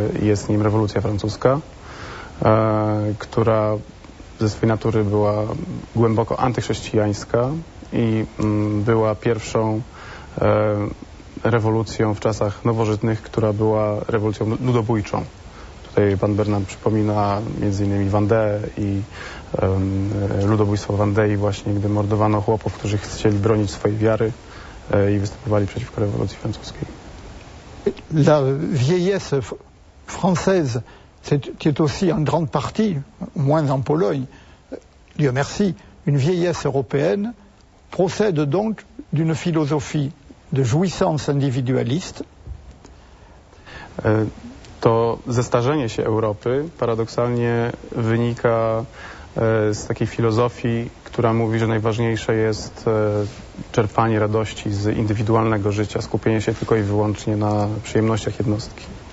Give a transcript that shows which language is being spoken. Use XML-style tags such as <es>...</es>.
<pl>Jest nim rewolucja francuska, która ze swej natury była głęboko antychrześcijańska i była pierwszą rewolucją w czasach nowożytnych, która była rewolucją ludobójczą. Tutaj pan Bernard przypomina m.in. Wandeę i ludobójstwo Wandei właśnie, gdy mordowano chłopów, którzy chcieli bronić swojej wiary i występowali przeciwko rewolucji francuskiej.</pl> <fr>La vieillesse française, qui est aussi en grande partie, moins en Pologne, Dieu merci, une vieillesse européenne, procède donc d'une philosophie de jouissance individualiste.</fr> <pl>To zestarzenie się Europy paradoksalnie wynika z takiej filozofii, która mówi, że najważniejsze jest czerpanie radości z indywidualnego życia, skupienie się tylko i wyłącznie na przyjemnościach jednostki.</pl>